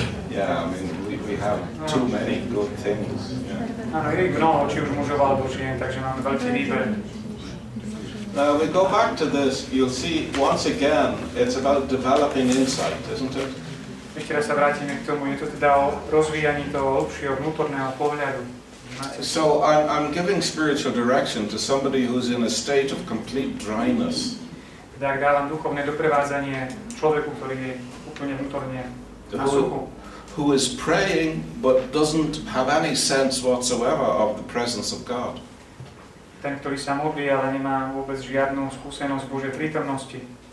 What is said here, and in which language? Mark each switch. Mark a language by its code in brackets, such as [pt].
[en] Yeah, I mean we have too many good things. Now we go back to this. You'll see once again it's about developing insight, isn't it? [sk] Ešte raz sa vrátime k tomu, je to teda o rozvíjaní toho lepšieho vnútorného pohľadu. [en] So I'm giving spiritual direction to somebody who's in a state of complete dryness. [sk] Tak dávam duchovné doprevádzanie človeku, ktorý je úplne vnútorne na suchu. [en] Who is praying but doesn't have any sense whatsoever of the presence of God. [sk] Ten, ktorý sa modlí, ale nemá vôbec žiadnu skúsenosť Božej prítomnosti.